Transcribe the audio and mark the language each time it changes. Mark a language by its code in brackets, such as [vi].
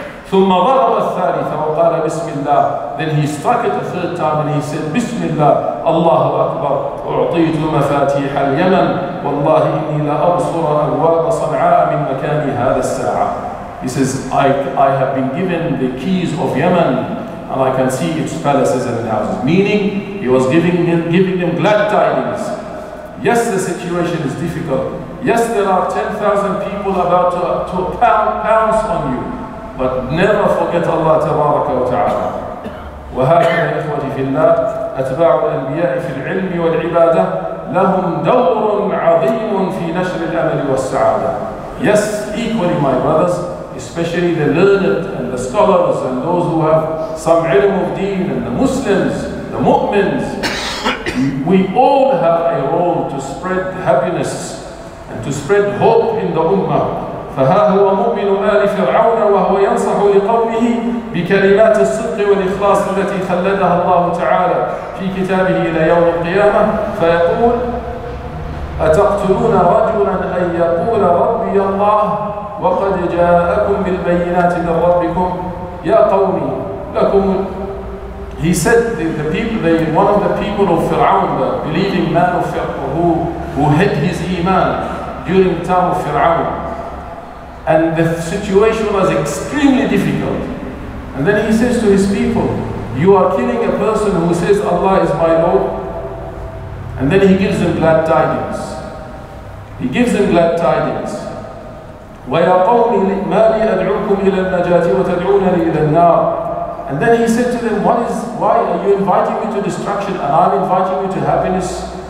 [ar] ثم ضرب الثالث وقال بسم الله [en] then he struck it a third time and he said [ar] بسم الله الله أكبر أعطيت مفاتيح اليمن والله إني لا أبصر أبواب صنعاء من مكان هذا الساعة [en] he says I have been given the keys of Yemen and I can see its palaces and houses meaning he was giving them glad tidings yes the situation is difficult yes there are 10,000 people about to pounce on you But never forget Allah [ar] تبارك وتعالى. وهكذا إخوتي في الله أتباع الأنبياء في العلم والعبادة لهم دور عظيم في نشر الأمل والسعادة. [en] Yes, equally my brothers, especially the learned and the scholars and those who have some علم of deen and the Muslims, the mu'mins, we all have a role to spread happiness and to spread hope in the ummah. [ar] فها هو مؤمن آل فرعون وهو ينصح لقومه بكلمات الصدق والإخلاص التي خلدها الله تعالى في كتابه إلى يوم القيامة فيقول أتقتلون رجلا أن يقول ربي الله وقد جاءكم بالبينات من ربكم يا قومي لكم [en] He said that the people, one of the people of Fir'aun, the believing man of Fir'aun, who hid his iman during the time of Fir'aun, And the situation was extremely difficult. And then he says to his people, you are killing a person who says Allah is my Lord. And then he gives them glad tidings. He gives them glad tidings. [ar] وَيَا قَوْمِ مَا لِي أَدْعُوكُمْ إِلَى النَّجَاةِ وَتَدْعُونَنِي إِلَى النَّارِ [en] And then he said to them, why are you inviting me to destruction and I'm inviting you to happiness?